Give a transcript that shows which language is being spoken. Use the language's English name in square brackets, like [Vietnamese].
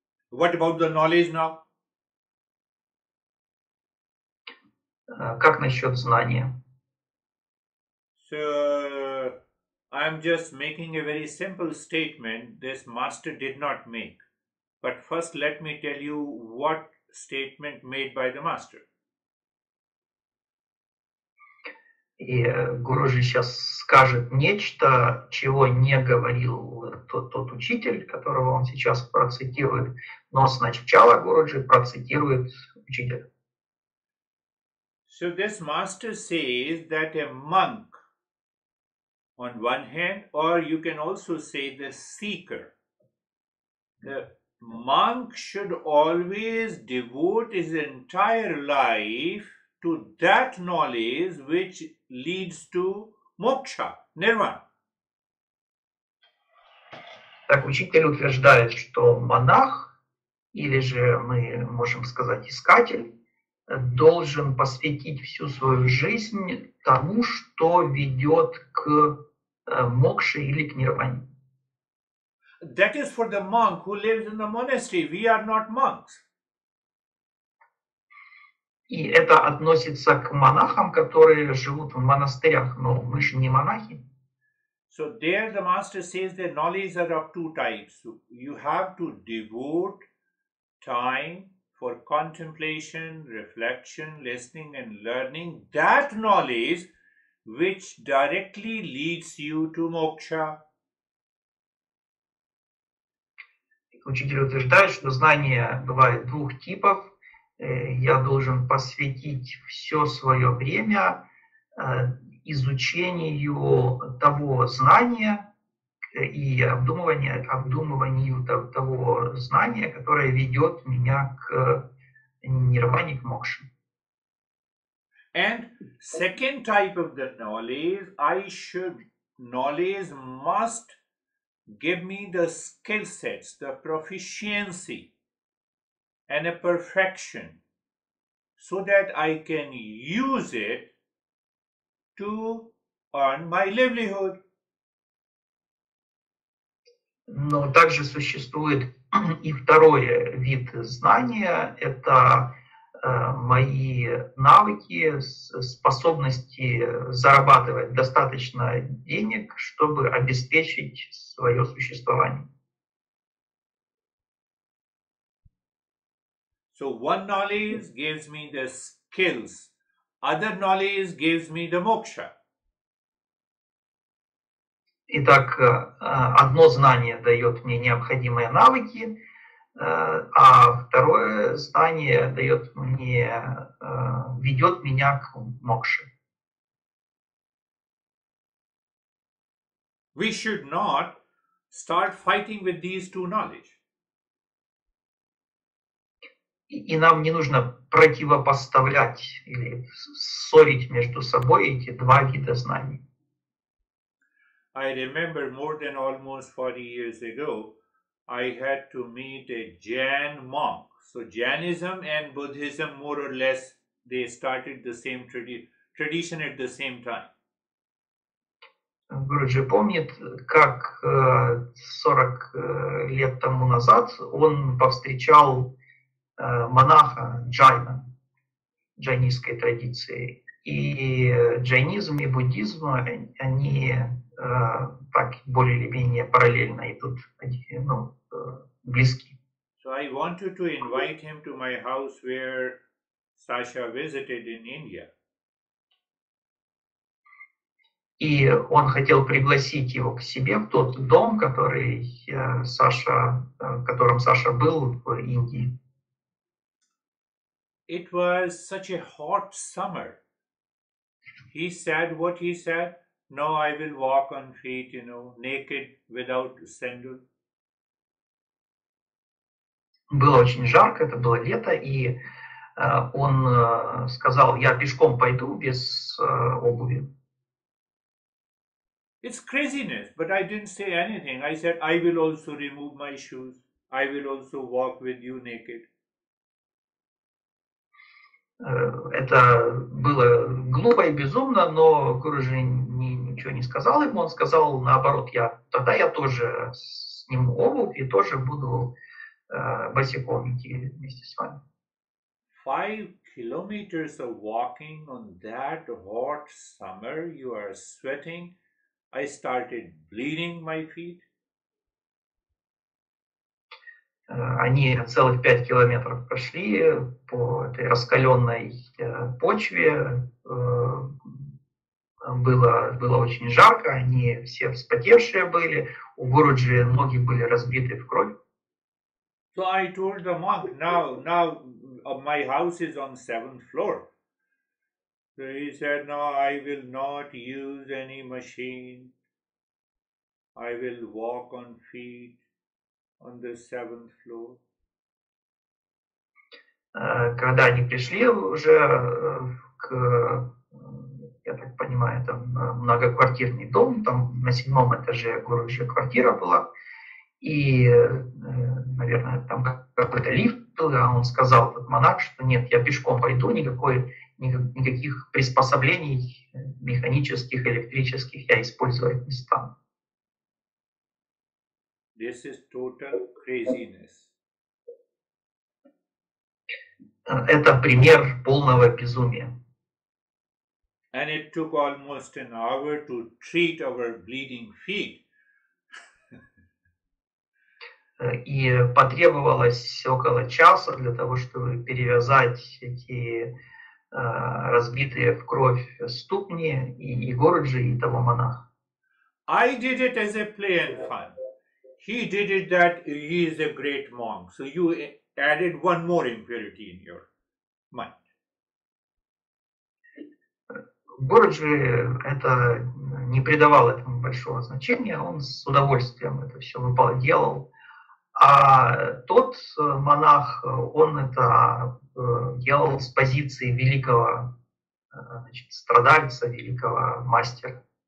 [English] What about the knowledge now? [Russian] Как насчет знания? [English] So, I'm just making a very simple statement this master did not make. But first let me tell you what statement made by the master. [Russian] И Гуруджи сейчас скажет нечто, чего не говорил тот учитель, которого он сейчас процитирует. Но сначала Гуруджи процитирует учителя. [English] So this master says that a monk on one hand, or you can also say the seeker. The monk should always devote his entire life to that knowledge which leads to moksha, nirvana. [Russian] Так, учитель утверждает, что монах, или же мы можем сказать искатель, должен посвятить всю свою жизнь тому, что ведет к мокши или к нирване. [English] That is for the monk who lives in the monastery. We are not monks. [Russian] И это относится к монахам, которые живут в монастырях, но мы же не монахи. [English] So there the master says the knowledge are of two types. You have to devote time for contemplation, reflection, listening and learning. That knowledge which directly leads you to moksha. [Russian] Учитель утверждает, что знания бывают двух типов. Я должен посвятить все свое время изучению того знания и обдумыванию того знания, которое ведет меня к нирване, к мокше. [English] And second type of the knowledge, knowledge must give me the skill sets, the proficiency and a perfection so that I can use it to earn my livelihood. [Russian] Но также существует и второй вид знания, это мои навыки, способности зарабатывать достаточно денег, чтобы обеспечить свое существование. [English] So one knowledge gives me the skills. Other knowledge gives me the moksha. [Russian] Итак, одно знание дает мне необходимые навыки, а второе знание дает мне, ведет меня к мокше. [English] We should not start fighting with these two knowledge. [Russian] И нам не нужно противопоставлять или ссорить между собой эти два вида знаний. [English] I remember more than almost 40 years ago, I had to meet a Jain monk. So Jainism and Buddhism, more or less, they started the same tradition at the same time. [Russian] Гуруджи помнит, как 40 лет тому назад он повстречал монаха джайна, джайнистской традиции. И джайнизм и буддизм, они так более или менее параллельно идут, ну, близки. [English] So I wanted to invite him to my house where Sasha visited in India. [Russian] И он хотел пригласить его к себе в тот дом, который Саша, в котором Саша был в Индии. [English] It was such a hot summer. He said what he said. No, I will walk on feet, you know, naked, without sandal. [Russian] Было очень жарко, это было лето, и он сказал, я пешком пойду без обуви. [English] It's craziness, but I didn't say anything. I said, I will also remove my shoes. I will also walk with you naked. [Russian] Это было глупо и безумно, но Гуруджи ничего не сказал ему. Он сказал наоборот, я тоже сниму обувь и тоже буду босиком идти вместе с вами. [English] 5 kilometers of walking on that hot summer, you are sweating. I started bleeding my feet. [Russian] Они целых 5 километров прошли по этой раскаленной почве. Было очень жарко, они все вспотевшие были. У Гуруджи ноги были разбиты в кровь. [English] So I told the monk, now my house is on 7th floor. So he said, no, I will not use any machine. I will walk on feet. On the 7th floor. [Russian] Когда они пришли уже к, я так понимаю, там многоквартирный дом, там на 7-м этаже Гуруджи квартира была, и, наверное, там какой-то лифт был, а он сказал, этот монах, что нет, я пешком пойду, никаких приспособлений механических, электрических я использовать не стану. [English] This is total craziness. [Russian] Это пример полного безумия. [English] And it took almost an hour to treat our bleeding feet. [Russian] И потребовалось около часа для того, чтобы перевязать эти разбитые в кровь ступни и Гуруджи, и того монаха. [English] I did it as a play and fun. He did it that he is a great monk. So you added one more impurity in your mind. [Russian] Гуруджи это не придавал этому большого значения. Он с удовольствием это все делал. А тот монах, он это делал с позиции великого, значит, страдальца, великого мастера.